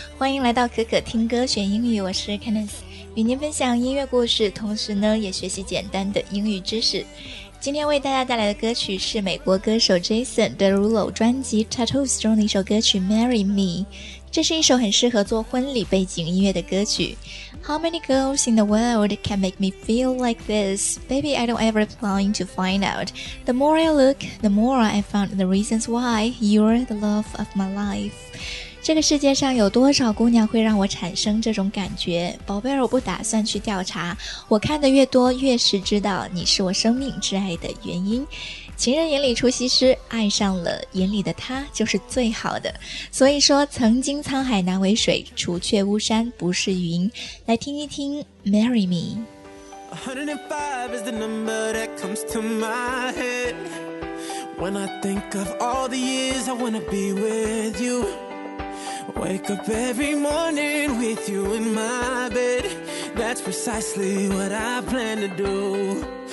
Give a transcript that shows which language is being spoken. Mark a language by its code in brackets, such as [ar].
[zh] 欢迎来到可可听歌学英语，我是 Candice， 与您分享音乐故事，同时呢也学习简单的英语知识。今天为大家带来的歌曲是美国歌手 Jason Derulo 专辑 Tattoos 中的一首歌曲 Marry Me， 这是一首很适合做婚礼背景音乐的歌曲。 [en] How many girls in the world can make me feel like this? Baby, I don't ever plan to find out. The more I look, the more I found the reasons why you're the love of my life. [zh] 这个世界上有多少姑娘会让我产生这种感觉？宝贝儿，我不打算去调查，我看得越多越是知道你是我生命之爱的原因。情人眼里出西施，爱上了眼里的他就是最好的。所以说曾经沧海难为水，除却巫山不是云。来听一听 Marry Me。 [en] 105 is the number that comes to my head When I think of all the years I wanna be with youWake up every morning with you in my bed That's precisely what I plan to do